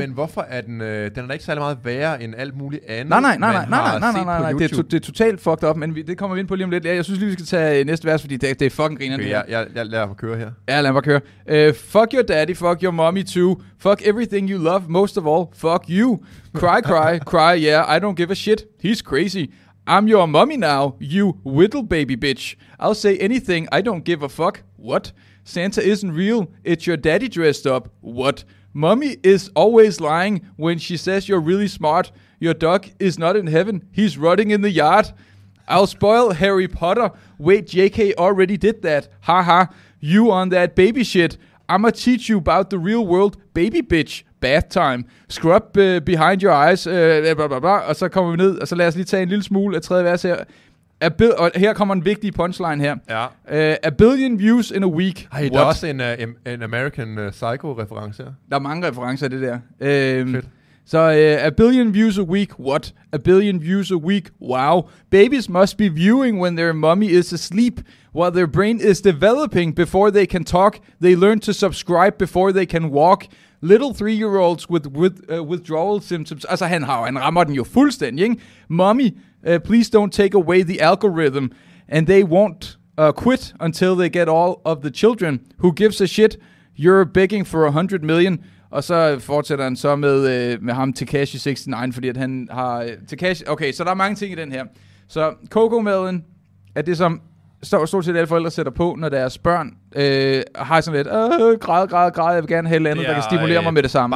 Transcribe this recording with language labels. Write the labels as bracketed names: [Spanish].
[Danish] Men hvorfor er den, den er da ikke særlig meget værre end alt muligt andet, nej, det er totalt fucked up, men det kommer vi ind på lige om lidt. Jeg synes lige, vi skal tage næste vers, fordi det er fucking grinerende. Okay, jeg lader mig køre her. Ja, lad mig køre. [English] "Fuck your daddy, fuck your mommy too. Fuck everything you love, most of all, fuck you. Cry, cry, cry, yeah, I don't give a shit. He's crazy. I'm your mommy now, you little baby bitch. I'll say anything, I don't give a fuck. What? Santa isn't real, it's your daddy dressed up. What? Mommy is always lying when she says you're really smart. Your dog is not in heaven, he's rotting in the yard. I'll spoil Harry Potter, wait, JK already did that. Ha ha, you on that baby shit. I'ma teach you about the real world, baby bitch. Bath time. Scrub behind your eyes." [Danish] Og så kommer vi ned, og så lad os lige tage en lille smule af tredje vers her. Og her kommer en vigtig punchline her. Ja. [English] "A billion views in a week." [Danish] Hey, der er også en American Psycho-reference her. Der er mange referencer af det der. Fedt. [English] Så "a billion views a week, what? A billion views a week, wow. Babies must be viewing when their mommy is asleep, while their brain is developing before they can talk. They learn to subscribe before they can walk. Little three-year-olds with withdrawal symptoms." [Danish] Altså, han rammer den jo fuldstændig, ikke? [English] "Mommy, please don't take away the algorithm. And they won't quit until they get all of the children. Who gives a shit? You're begging for 100 million. [Danish] Og så fortsætter han så med, med ham Tekashi 69, fordi at han har Tekashi. Okay, så der er mange ting i den her. Så kokomaden er det, som stort set alle forældre sætter på, når deres børn har sådan lidt, græd, jeg vil gerne have et andet, der kan stimulere mig med det samme.